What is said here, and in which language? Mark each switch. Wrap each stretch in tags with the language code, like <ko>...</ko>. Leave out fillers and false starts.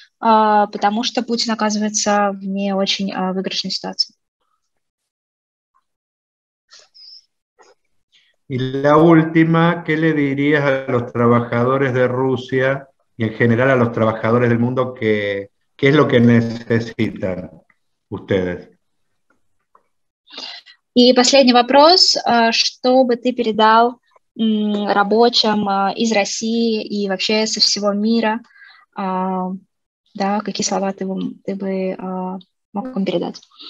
<ru>Потому что Путин оказывается в не очень выигрышной ситуации. И</ru> <es>la última, ¿qué le dirías a los trabajadores de Rusia y en general a los trabajadores del mundo qué es lo que necesitan ustedes?</es> <ru>И последний вопрос, что бы ты передал рабочим из России и вообще со всего мира? Да, какие слова ты бы мог им передать?</ru>